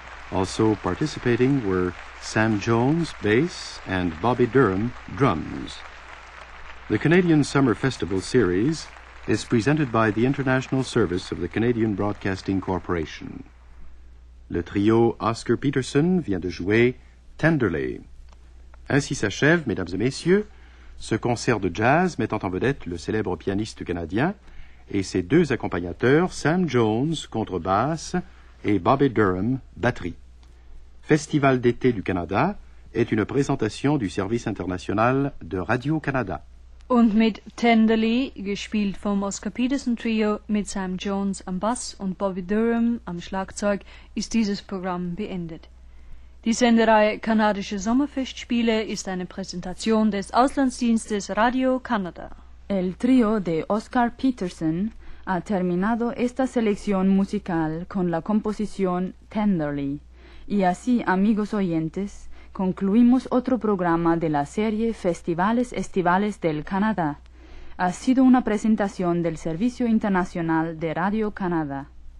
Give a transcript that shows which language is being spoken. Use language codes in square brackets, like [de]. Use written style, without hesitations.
[en] Also participating were Sam Jones, bass, and Bobby Durham, drums. The Canadian Summer Festival series is presented by the International Service of the Canadian Broadcasting Corporation. [fr] Le trio Oscar Peterson vient de jouer Tenderly. Ainsi s'achève, mesdames et messieurs, ce concert de jazz mettant en vedette le célèbre pianiste canadien et ses deux accompagnateurs, Sam Jones, contrebasse, et Bobby Durham, batterie. Festival d'été du Canada est une présentation du service international de Radio-Canada. [de] Und mit Tenderly, gespielt vom Oscar Peterson Trio mit Sam Jones am Bass und Bobby Durham am Schlagzeug, ist dieses Programm beendet. Die Senderei Kanadische Sommerfestspiele ist eine Präsentation des Auslandsdienstes Radio Canada. [es] El trío de Oscar Peterson ha terminado esta selección musical con la composición Tenderly. Y así, amigos oyentes, concluimos otro programa de la serie Festivales Estivales del Canadá. Ha sido una presentación del Servicio Internacional de Radio Canadá.